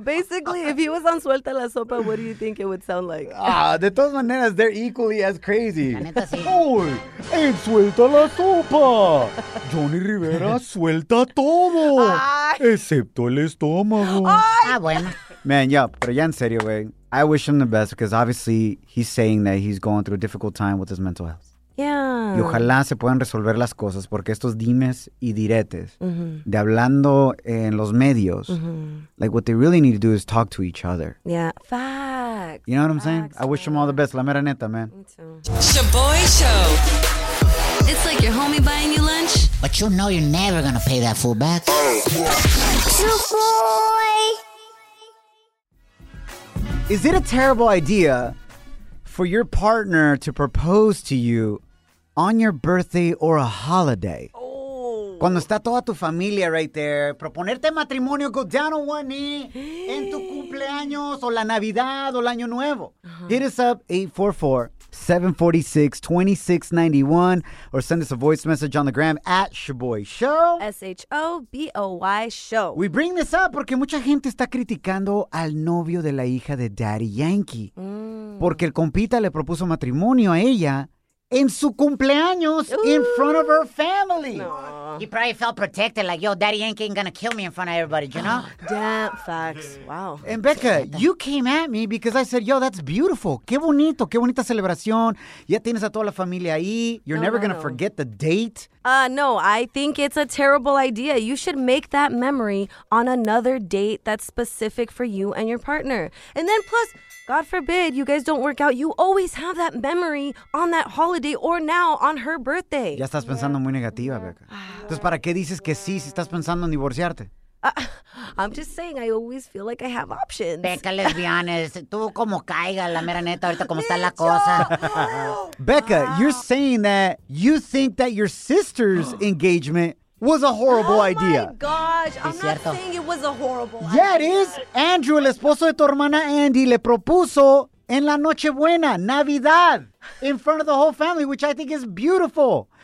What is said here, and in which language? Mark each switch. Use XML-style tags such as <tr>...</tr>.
<en>Basically, if he was on Suelta La Sopa, what do you think it would sound like?</en> <es>De todas maneras,</es> <en>they're equally as crazy.</en> <es>La neta, sí. ¡Oh! ¡En Suelta La Sopa! Johnny Rivera suelta todo. Ay. Excepto el estómago. Ay. Ah, bueno.</es> <en>Man, yeah,</en> <es>pero ya en serio, güey.</es> <en>I wish him the best because obviously he's saying that he's going through a difficult time with his mental health. Yeah.</en> <es>Y ojalá se puedan resolver las cosas porque estos dimes y diretes mm-hmm. de hablando en los medios, mm-hmm.</es> <en>like what they really need to do is talk to each other. Yeah, facts. You know what facts, I'm saying? I wish them all the best.</en> <es>La mera neta,</es> <en>man. Me too. Shaboy Show. It's like your homie buying you lunch. But you know you're never going to pay that fool back. Shaboy. Is it a terrible idea for your partner to propose to you on your birthday or a holiday. Oh.</en> <es>Cuando está toda tu familia</es> <en>right there,</en> <es>proponerte matrimonio,</es> <en>go down on one knee</en> <es>en tu cumpleaños o la Navidad o el Año Nuevo.</es> <en>Uh-huh. Hit us up, 844-746-2691, or send us a voice message on the gram at Shaboy Show. S-H-O-B-O-Y Show. We bring this up</en> <es>porque mucha gente está criticando al novio de la hija de Daddy Yankee. Mm. Porque el compita le propuso matrimonio a ella en su cumpleaños.</es> <en>Ooh. In front of her family. No. He probably felt protected, like, yo, Daddy Yankee ain't gonna kill me in front of everybody, you know? Damn, facts. Wow. And Becca, you came at me because I said, yo, that's beautiful.</en> <es>Qué bonito, qué bonita celebración. Ya tienes a toda la familia ahí.</es> <en>You're never gonna forget the date. No, I think it's a terrible idea. You should make that memory on another date that's specific for you and your partner. And then plus, God forbid you guys don't work out, you always have that memory on that holiday or now on her birthday.</en> <es>Ya estás pensando muy negativa, Becca. Entonces, ¿para qué dices que sí si estás pensando en divorciarte?</es> <en>I'm just saying, I always feel like I have options. Becca, let's be honest.</en> <es>Tú como caiga, la mera neta, ahorita como está la cosa.</es> <en>Becca, you're saying that you think that your sister's engagement was a horrible idea. Oh my gosh, I'm not saying it was a horrible idea. Yeah, it is. Andrew,</en> <es>el esposo de tu hermana Andy, le propuso en la Nochebuena, Navidad,</es> <en>in front of the whole family, which I think is beautiful.</en>